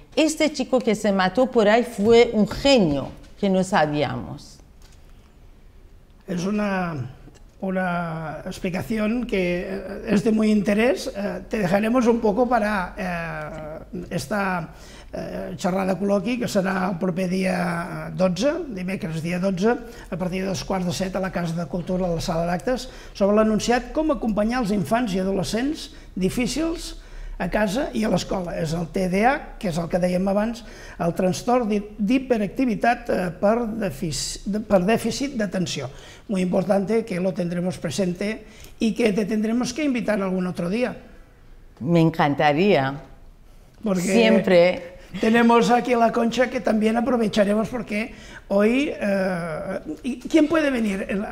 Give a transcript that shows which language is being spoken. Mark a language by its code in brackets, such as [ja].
[es] Este chico que se mató por ahí fue un genio que no sabíamos. Es una explicación que es de muy interés. Te dejaremos un poco para esta charrada [ca] col·loqui, que serà el proper dia 12, dimecres dia 12, a partir dels 6:45 a la Casa de Cultura, a la Sala d'Actes, sobre l'anunciat com acompanyar els infants i adolescents difícils a casa i a l'escola. És el TDA, que és el que dèiem abans, el trastorn d'hiperactivitat per dèficit d'atenció. [es] Muy importante que lo tendremos presente y que te tendremos que invitar algún otro día. Me encantaría. Porque siempre. Tenemos aquí a la Concha que también aprovecharemos porque hoy. ¿Quién puede venir?